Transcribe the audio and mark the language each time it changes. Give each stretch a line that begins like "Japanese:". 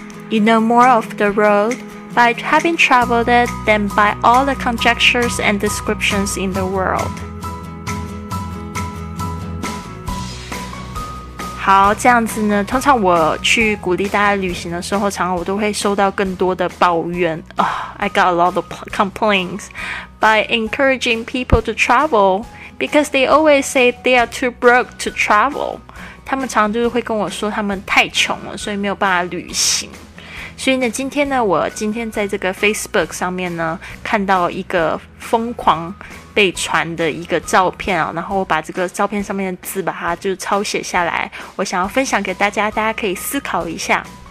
English: You know more of the road by having traveled it than by all the conjectures and descriptions in the world。
Chinese: 好，这样子呢，通常我去鼓励大家旅行的时候，常常我都会收到更多的抱怨。
English: I got a lot of complaints by encouraging people to travel because they always say they are too broke to travel。
Chinese: 他们常常就是会跟我说他们太穷了，所以没有办法旅行。所以呢，今天呢，我今天在这个 Facebook 上面呢，看到一个疯狂被传的一个照片啊，然后我把这个照片上面的字把它就抄写下来，我想要分享给大家，大家可以思考一下。